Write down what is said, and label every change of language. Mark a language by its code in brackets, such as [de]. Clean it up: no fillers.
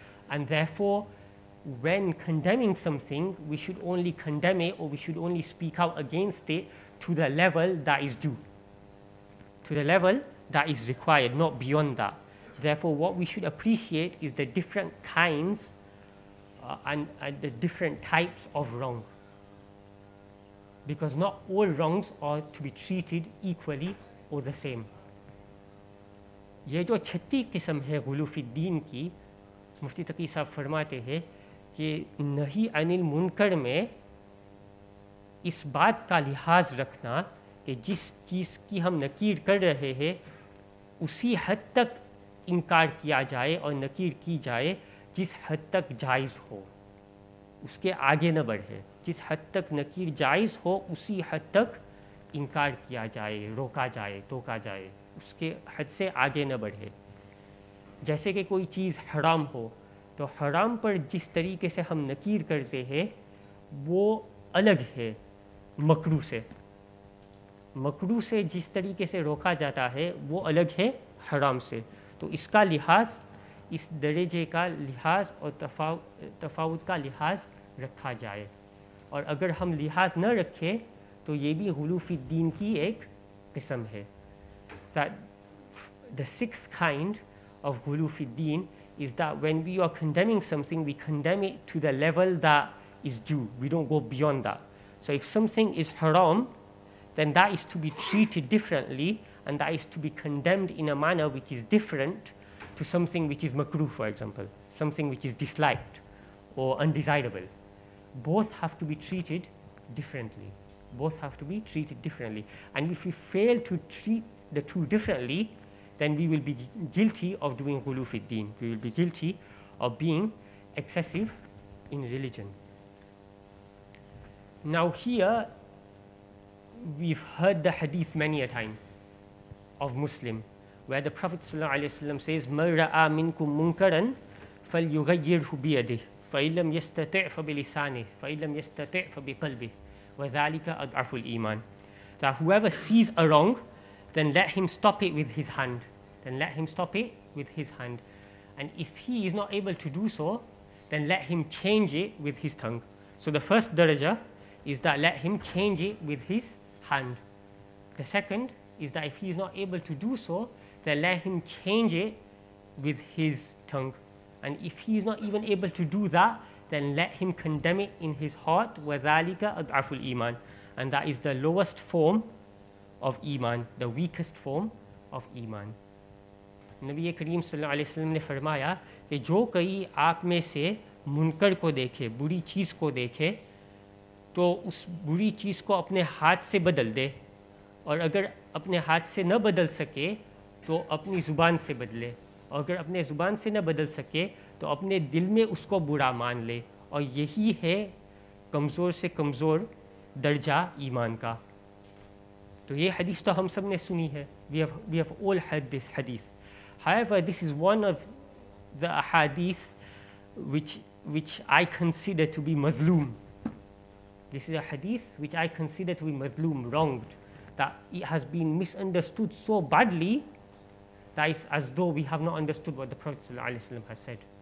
[en] And therefore, when condemning something, we should only condemn it or we should only speak out against it to the level that is due, to the level that is required, not beyond that. Therefore, what we should appreciate is the different kinds and the different types of wrong. Because not all wrongs are to be treated equally or the same. [ur] یہ جو چھتی قسم ہے غلو فی الدین کی, مفتی تقی صاحب فرماتے ہیں کہ نہی عن المنکر میں اس بات کا لحاظ رکھنا کہ جس چیز کی ہم نکیر کر رہے ہیں اسی حد تک انکار کیا جائے اور نکیر کی جائے جس حد تک جائز ہو, اس کے آگے نہ بڑھے. جس حد تک نکیر جائز ہو اسی حد تک انکار کیا جائے, روکا جائے, ٹوکا جائے, اس کے حد سے آگے نہ بڑھے. جیسے کہ کوئی چیز حرام ہو تو حرام پر جس طریقے سے ہم نکیر کرتے ہیں وہ الگ ہے مکروہ سے. مکروہ سے جس طریقے سے روکا جاتا ہے وہ الگ ہے حرام سے. تو اس کا لحاظ, اس درجے کا لحاظ اور تفاوت کا لحاظ رکھا جائے. اور اگر ہم لحاظ نہ رکھے تو یہ بھی غلو فی الدین کی ایک قسم ہے. [en] That the sixth kind of غلو فی الدین is that when we are condemning something, we condemn it to the level that is due. We don't go beyond that. So if something is haram, then that is to be treated differently, and that is to be condemned in a manner which is different to something which is makruh, for example, something which is disliked or undesirable. Both have to be treated differently. Both have to be treated differently. And if we fail to treat the two differently, then we will be guilty of doing ghulu fi ddin. We will be guilty of being excessive in religion. Now here, we've heard the hadith many a time of Muslim, where the Prophet ﷺ says, [ar] مَنْ رَآ مِنْكُمْ مُنْكَرًا فَلْيُغَيِّرْهُ بِيَدِهِ فَإِنْ لَمْ يَسْتَطِعْ فَبِلِسَانِهِ فَإِنْ لَمْ يَسْتَطِعْ فَبِقَلْبِهِ وَذَلِكَ أَضْعَفُ الْإِيمَانِ. [en] That whoever sees a wrong, then let him stop it with his hand. Then let him stop it with his hand. And if he is not able to do so, then let him change it with his tongue. So the first daraja is that let him change it with his hand. The second is that if he is not able to do so, then let him change it with his tongue. And if he is not even able to do that, then let him condemn it in his heart, [ar] وَذَلِكَ أَضْعَفُ الْإِيمَانِ. [en] And that is the lowest form of Iman, the weakest form of Iman. [ur] Nabi Kareem sallallahu alayhi wa sallam نے فرمایا کہ جو کئی آپ میں سے منکر کو دیکھے, بری چیز کو دیکھے, تو اس بری چیز کو اپنے ہاتھ سے بدل دے, اور اگر اپنے ہاتھ سے نہ بدل سکے تو اپنی زبان سے بدلے, اور اگر اپنے زبان سے نہ بدل سکے تو اپنے دل میں اس کو برا مان لے, اور یہی ہے کمزور سے کمزور درجہ ایمان کا. تو یہ حدیث تو ہم سب نے سنی ہے. [en] We have all heard this hadith. However, this is one of the hadith which I consider to be mazloom. This is a hadith which I consider to be mazloom, wronged, that it has been misunderstood so badly that it's as though we have not understood what the Prophet ﷺ has said.